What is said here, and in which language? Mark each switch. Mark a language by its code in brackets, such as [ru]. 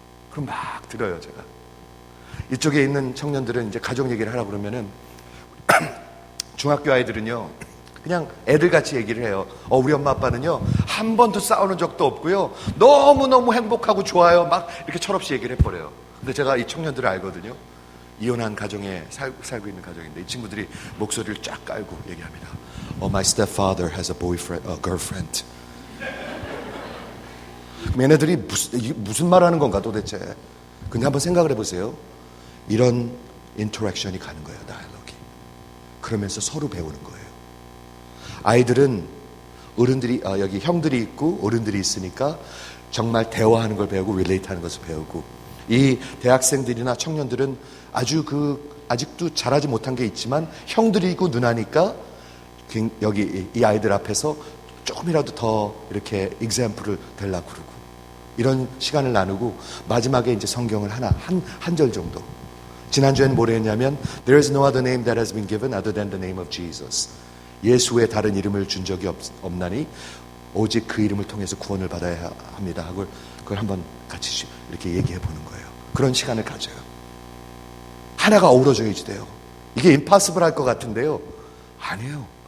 [ko] 그럼 막 들어요 제가. 이쪽에 있는 청년들은 이제 가족 얘기를 하라고 그러면은 중학교 아이들은요 그냥 애들같이 얘기를 해요. 우리 엄마 아빠는요 한 번도 싸우는 적도 없고요 너무너무 행복하고 좋아요 막 이렇게 철없이 얘기를 해버려요. 근데 제가 이 청년들을 알거든요. 이혼한 가정에 살고 있는 가정인데 이 친구들이 목소리를 쫙 깔고 얘기합니다. [en] Oh, my stepfather has a boyfriend, a girlfriend. [ko] 얘네들이 무슨 말하는 건가 도대체. 근데 한번 생각을 해보세요. 이런 인터랙션이 가는 거예요. 그러면서 서로 배우는 거예요. 아이들은 어른들이 여기 형들이 있고 어른들이 있으니까 정말 대화하는 걸 배우고 릴레이트하는 것을 배우고 이 대학생들이나 청년들은 아주 그 아직도 잘하지 못한 게 있지만 형들이고 누나니까 여기 이 아이들 앞에서 조금이라도 더 이렇게 example을 달라 그러고 이런 시간을 나누고 마지막에 이제 성경을 하나 한 절 정도. 지난주에는 뭐 했냐면 [en] There is no other name that has been given other than the name of Jesus. [ko] 예수의 다른 이름을 준 적이 없나니 오직 그 이름을 통해서 구원을 받아야 합니다. 그걸 한번 같이 이렇게 얘기해 보는 거예요. 그런 시간을 가져요. 하나가 어우러져야지 돼요. 이게 impossible 할 것 같은데요. 아니에요.